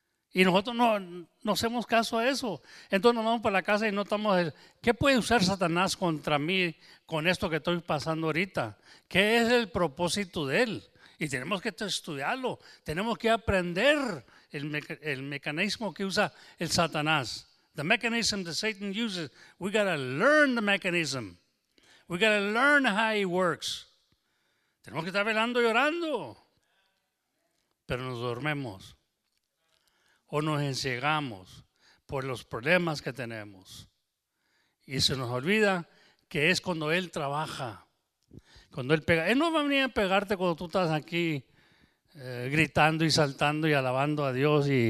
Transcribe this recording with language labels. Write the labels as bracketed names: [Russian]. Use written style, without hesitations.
[Spanish] Y nosotros no hacemos caso a eso. Entonces nos vamos para la casa y notamos, ¿qué puede usar Satanás contra mí con esto que estoy pasando ahorita? ¿Qué es el propósito de él? Y tenemos que estudiarlo, tenemos que aprender el mecanismo que usa el Satanás. [English] The mechanism that Satan uses, we got to learn the mechanism. We got to learn how he works. [Spanish] Tenemos que estar velando y orando. Pero nos dormimos o nos enciegamos por los problemas que tenemos. Y se nos olvida que es cuando él trabaja. Cuando él pega, él no va a venir a pegarte cuando tú estás aquí gritando y saltando y alabando a Dios